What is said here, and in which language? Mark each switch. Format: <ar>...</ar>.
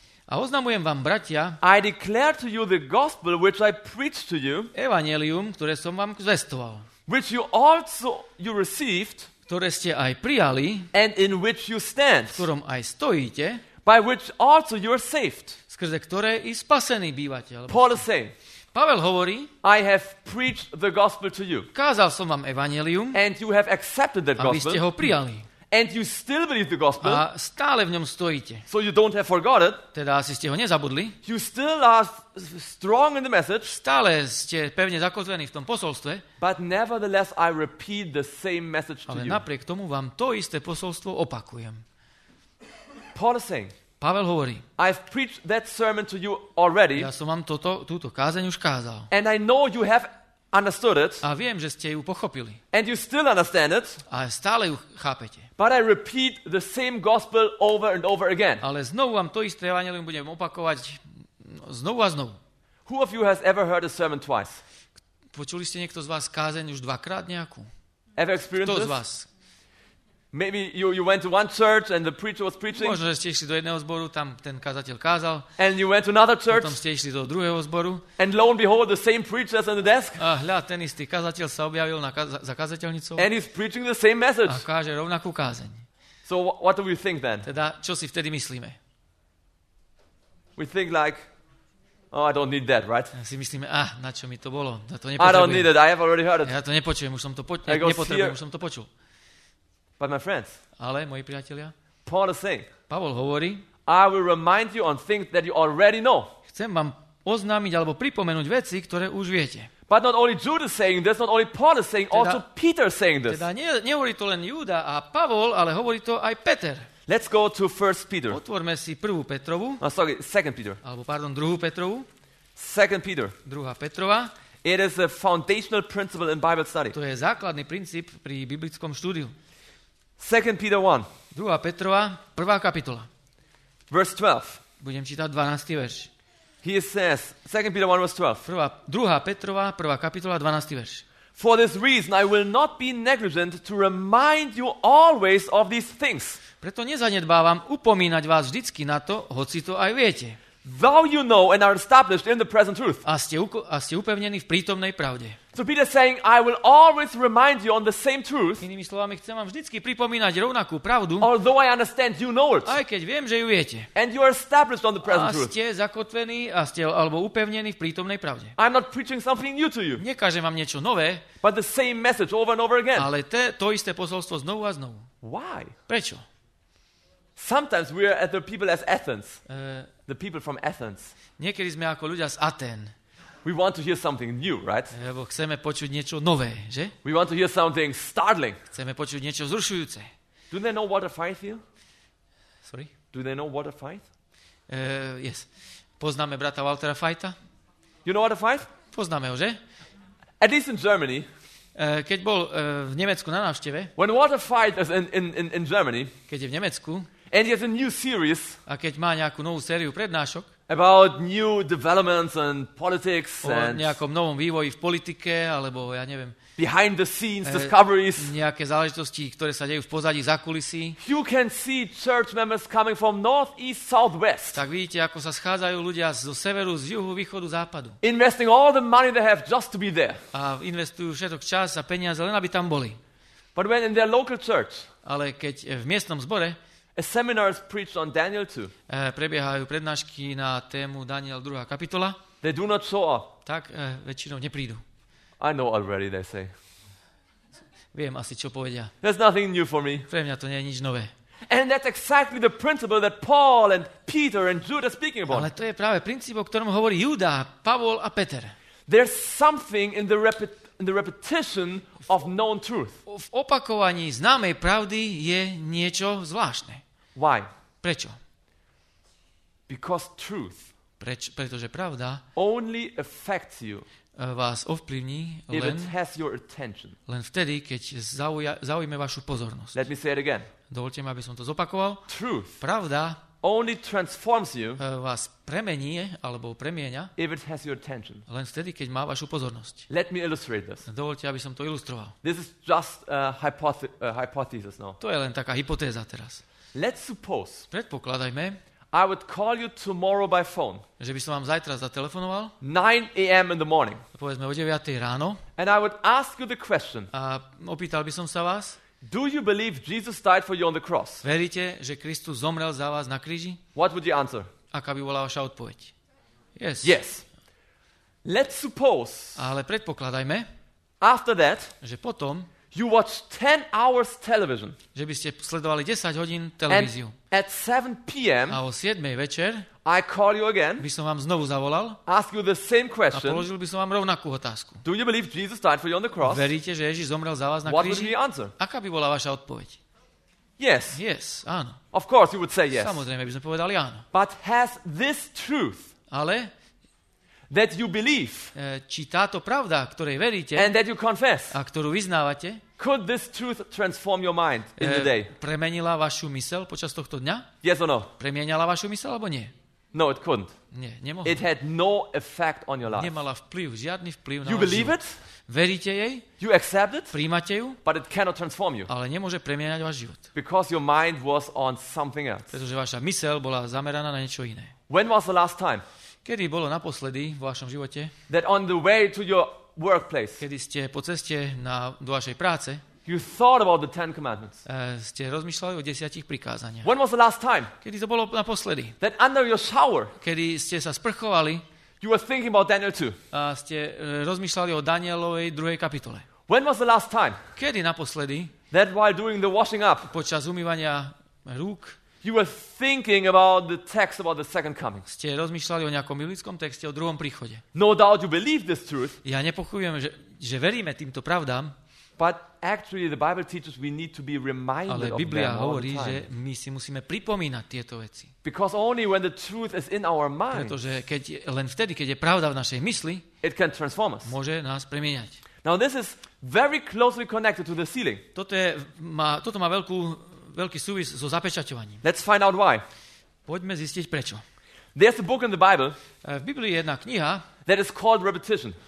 <sk>a oznamujem vám, bratia,</sk> <en>I declare to you the gospel which I preached to you,</en> <sk>evanjelium, ktoré som vám zvestoval,</sk> <en>which you also you received,</en> <sk>ktoré ste aj prijali,</sk> <en>and in which you stand,</en> <sk>v ktorom aj stojíte,</sk> <en>by which also you are saved,</en> <sk>skrze ktoré i spasený bývate.</sk> <en>Paul is saying,</en> <sk>Pavel hovorí,</sk> <en>I have preached the gospel to you,</en> <sk>kázal som vám evanjelium,</sk> <en>and you have accepted that gospel,</en> <sk>a vy ste ho prijali.</sk> <en>And you still believe the gospel?</en> <sk>A stále v ňom stojíte.</sk> <en>So you don't have forgotten?</en> <sk>Teda asi ste ho nezabudli.</sk> <en>You still are strong in the message?</en> <sk>Stále ste pevne zakotvení v tom posolstve.</sk> <en>But nevertheless I repeat the same message to you.</en> <sk>Ale napriek tomu vám to isté posolstvo opakujem.</sk> <en>Paul is saying,</en> <sk>Pavel hovorí,</sk> <en>I've preached that sermon to you already.</en> <sk>Ja som vám túto kázeň už kázal.</sk> <en>And I know you have understood it.</en> <sk>A viem, že ste ju pochopili.</sk> <en>And you still understand it.</en> <sk>A stále ju chápete.</sk> <en>But I repeat the same gospel over and over again.</en> <sk>Ale znovu vám to isté evanjelium budem opakovať znovu a znovu.</sk> <en>Who of you has ever heard a sermon twice?</en> <sk>Počuli ste niekto z vás kázeň už dvakrát nejakú?</sk> <en>Ever experienced?</en> <sk>Kto z vás?</sk> <en>Maybe you went to one church and the preacher was preaching.</en> <sk>Možno ste išli do jedného zboru, tam ten kazateľ kázal.</sk> <en>And you went to another church.</en> <sk>Potom ste išli do druhého zboru.</sk> <en>And lo and behold, the same preacher is on the desk.</en> <sk>A hľa, ten istý kazateľ sa objavil za kazateľnicou.</sk> <en>And he's preaching the same message.</en> <sk>A káže rovnakú kázeň.</sk> <en>So what do we think then?</en> <sk>Teda, čo si vtedy myslíme?</sk> <en>We think like, oh, I don't need that, right?</en> <sk>Si myslíme, na čo mi to bolo? Ja to nepotrebujem.</sk> <en>I don't need it, I have already heard it.</en> <sk>Ja to nepočujem, už som to nepotrebujem, už som to počul.</sk> <en>But my friends,</en> <sk>ale moji priatelia,</sk> <en>Paul is saying,</en> <sk>Pavol hovorí,</sk> <en>I will remind you on things that you already know.</en> <sk>Chcem vám oznámiť alebo pripomenúť veci, ktoré už viete.</sk> <en>But not only Jude is saying this, not only Paul is saying, also Peter is saying this.</en> <sk>Teda nehovorí to len Júda a Pavol, ale hovorí to aj Peter.</sk> <en>Let's go to 1 Peter.</en> <sk>Otvorme si 1. Petrovu.</sk> <en>Oh, sorry, 2 Peter.</en> <sk>Alebo pardon, 2. Petrovu.</sk> <en>2 Peter.</en> <sk>2. Petrova.</sk> <en>It is a foundational principle in Bible study.</en> <sk>To je základný princíp pri biblickom štúdiu.</sk> <en>2 Peter 1.</en> <sk>2. Petrova, 1. kapitola.</sk> <en>Verse 12.</en> <sk>Budem čítať 12. verš.</sk> <en>He says, 2 Peter 1 verse 12.</en> <sk>2. Petrova, 1. kapitola, 12. verš.</sk> <en>For this reason I will not be negligent to remind you always of these things.</en> <sk>Preto nezanedbávam upomínať vás vždycky na to, hoci to aj viete.</sk> <en>Though you know and are established in the present truth.</en> <sk>A ste upevnení v prítomnej pravde.</sk> <en>So Peter saying, I will always remind you on the same truth.</en> <sk>Inými slovami, chcem vám vždycky pripomínať rovnakú pravdu.</sk> <en>Although I understand you know it.</en> <sk>Aj keď viem, že ju viete.</sk> <en>And you are established on the present truth.</en> <sk>A ste zakotvení a ste alebo upevnení v prítomnej pravde.</sk> <en>I'm not preaching something new to you.</en> <sk>Nekážem vám niečo nové.</sk> <en>But the same message over and over again.</en> <sk>Ale to isté posolstvo znovu a znovu.</sk> <en>Why?</en> <sk>Prečo?</sk> <en>Sometimes we are at the people as Athens. The people from Athens.</en> <sk>Niekedy sme ako ľudia z Aten.</sk> <en>We want to hear something new, right?</en> <sk>Lebo chceme počuť niečo nové, že?</sk> <en>We want to hear something startling.</en> <sk>Chceme počuť niečo vzrušujúce.</sk> <en>Do they know what a fight feel? Sorry? Do they know what a fight?</en> <sk>Yes. Poznáme brata Waltera Fajta?</sk> <en>You know what a fight?</en> <sk>Poznáme ho, že?</sk> <en>At least in Germany.</en> <sk>Keď bol v Nemecku na návšteve.</sk> <en>When what a fight is in Germany.</en> <sk>Keď je v Nemecku.</sk> <en>And he has a new series.</en> <sk>A keď má nejakú novú sériu prednášok.</sk> <en>About new developments and politics and</en> <sk>o nejakom novom vývoji v politike alebo ja neviem.</sk> <en>Behind the scenes discoveries.</en> <sk>Nejaké záležitosti, ktoré sa dejú v pozadí za kulisy.</sk> <en>You can see church members coming from north, east, south, west.</en> <sk>Tak vidíte, ako sa schádzajú ľudia zo severu, z juhu, východu, západu.</sk> <en>Investing all the money they have just to be there.</en> <sk>A investujú všetok čas a peniaze len aby tam boli.</sk> <en>But when in their local church.</en> <sk>Ale keď v miestnom zbore.</sk> <en>A seminar is preached on Daniel 2.</en> <sk>Prebiehajú prednášky na tému Daniel 2. kapitola.</sk> <en>They do not show up.</en> <sk>Tak väčšinou neprídu.</sk> <en>I know already, they say.</en> <sk>Viem asi, čo povedia.</sk> <en>There's nothing new for me.</en> <sk>Pre mňa to nie je nič nové.</sk> <en>And that's exactly the principle that Paul and Peter and Jude are speaking about.</en> <sk>Ale to je práve princíp, o ktorom hovorí Júda, Pavol a Peter.</sk> <en>There's something in the repetition of known truth.</en> <sk>V opakovaní známej pravdy je niečo zvláštne.</sk> <en>Why?</en> <sk>Prečo?</sk> <en>Because truth.</en> <sk>Pretože pravda</sk> <en>only affects you.</en> <sk>Vás ovplyvní len</sk> <en>if it has your attention.</en> <sk>Len vtedy, keď zaujme vašu pozornosť.</sk> <en>Let me say it again.</en> <sk>Dovolte mi, aby som to zopakoval.</sk> <en>Truth.</en> <sk>Pravda</sk> <en>only transforms you.</en> <sk>Vás premení alebo premieňa.</sk> <en>If it has your attention.</en> <sk>Len vtedy, keď má vašu pozornosť.</sk> <en>Let me illustrate this.</en> <sk>Dovolte, aby som to ilustroval.</sk> <en>This is just a hypothesis now.</en> <sk>To je len taká hypotéza teraz.</sk> <en>Let's suppose.</en> <sk>Predpokladajme.</sk> <en>I would call you tomorrow by phone.</en> <sk>Že by som vám zajtra zatelefonoval.</sk> <en>9 a.m. in the morning.</en> <sk>Povedzme o 9. ráno.</sk> <en>And I would ask you the question.</en> <sk>A opýtal by som sa vás.</sk> <en>Do you believe Jesus died for you on the cross?</en> <sk>Veríte, že Kristus zomrel za vás na kríži?</sk> <en>What would you answer?</en> <sk>Aká by bola vaša odpoveď? Yes.</sk> <en>Yes. Let's suppose.</en> <sk>Ale predpokladajme.</sk> <en>After that.</en> <sk>Že potom.</sk> <en>You watch 10 hours television.</en> <sk>Že by ste sledovali 10 hodín televíziu.</sk> <en>And at 7 p.m.</en> <sk>A o 7. večer.</sk> <en>I call you again.</en> <sk>By som vám znovu zavolal.</sk> <en>Ask you the same question.</en> <sk>A položil by som vám rovnakú otázku.</sk> <en>Do you believe Jesus died for you on the cross?</en> <sk>Veríte, že Ježiš zomrel za vás na</sk> <en>what</en> <sk>kríži?</sk> <en>What would be answer?</en> <sk>Aká by bola vaša odpoveď?</sk> <en>Yes.</en> <sk>Yes, áno.</sk> <en>Of course you would say yes.</en> <sk>Samozrejme by sme povedali áno.</sk> <en>But has this truth?</en> <sk>Ale</sk> <en>that you believe.</en> <sk>Či táto pravda, ktorej veríte?</sk> <en>And that you confess.</en> <sk>A ktorú vyznávate?</sk> <en>Could this truth transform your mind in the day?</en> <sk>Premenila vašu myseľ počas tohto dňa?</sk> <en>Yes or no?</en> <sk>Premenila vašu myseľ alebo nie?</sk> <en>No, it couldn't.</en> <sk>Nie, nemohol.</sk> <en>It had no effect on your life.</en> <sk>Nemala vplyv, žiadny vplyv na</sk> <en>život. You believe it?</en> <sk>Veríte jej?</sk> <en>You accept it?</en> <sk>Prijímate ju?</sk> <en>But it cannot transform you.</en> <sk>Ale nemôže premieňať váš život.</sk> <en>Because your mind was on something else.</en> <sk>Pretože vaša myseľ bola zameraná na niečo iné.</sk> <en>When was the last time?</en> <sk>Kedy bolo naposledy v vašom živote?</sk> <en>That on the way to your workplace.</en> <sk>Kedy ste po ceste na do vašej práce?</sk> <en>You thought about the Ten Commandments.</en> <sk>Ste rozmýšľali o desiatich prikázaniach.</sk> <en>When was the last time?</en> <sk>Kedy to bolo naposledy?</sk> <en>That under your shower.</en> <sk>Kedy ste sa sprchovali?</sk> <en>You were thinking about Daniel 2.</en> <sk>Ste rozmýšľali o Danielovej druhej kapitole.</sk> <en>When was the last time?</en> <sk>Kedy naposledy?</sk> <en>That while doing the washing up.</en> <sk>Počas umývania rúk.</sk> <en>You were thinking about the text about the second coming.</en> <sk>Ste rozmýšľali o nejakom biblickom texte o druhom príchode.</sk> <en>No doubt you believe this truth.</en> <sk>Ja nepochybujem, že veríme týmto pravdám.</sk> <en>But actually the Bible teaches we need to be reminded of</en> <sk>them. Ale Biblia hovorí, že my si musíme pripomínať tieto veci.</sk> <en>Because only when the truth is in our mind.</en> <sk>Pretože keď len vtedy, keď je pravda v našej mysli,</sk> <en>it can transform us.</en> <sk>Môže nás premieňať.</sk> <en>Now this is very closely connected to the ceiling.</en> <sk>Toto má veľký súvis so zapečaťovaním.</sk> <en>Let's find out why.</en> <sk>Poďme zistiť prečo.</sk> <en>There's a book in the Bible.</en> <sk>V Biblii je jedna kniha.</sk> <en>That is called repetition.</en>